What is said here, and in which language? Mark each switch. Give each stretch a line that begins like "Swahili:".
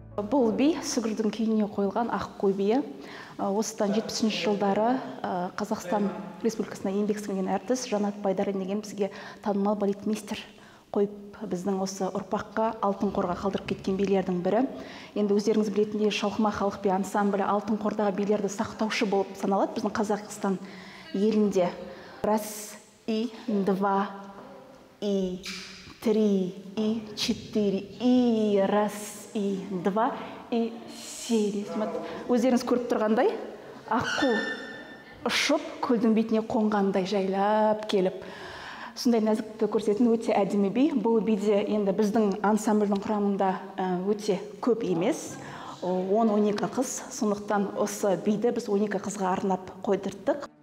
Kazakh: Бұл би Сүгірдің күйіне қойылған ақ қой биі. Осыдан 70-ші жылдары Қазақстан Республикасына еңбек сіңірген әртіс Жанат Байдарин деген бізге танымал балетмейстер қойып, біздің осы ұрпаққа алтын қорға қалдырып кеткен билердің бірі. Енді өздеріңіз білетіндей Шалқыма халық би ансамблі алтын қордағы билерді сақтаушы болып саналады біздің Қазақстан елінде.
Russian: Раз и, два и, три и, четыре и, раз и, два и,
Kazakh: сегіз. Өздеріңіз көріп тұрғандай, аққу ұшып, көлдің бетіне қонғандай жайлап келіп. Сондай нәзікті көрсетін өте әдемі би. Бұл биде енді біздің ансамбльдің құрамында өте көп емес. 10-12 қыз. Сондықтан осы биді біз 12 қызға арнап қойдырттық.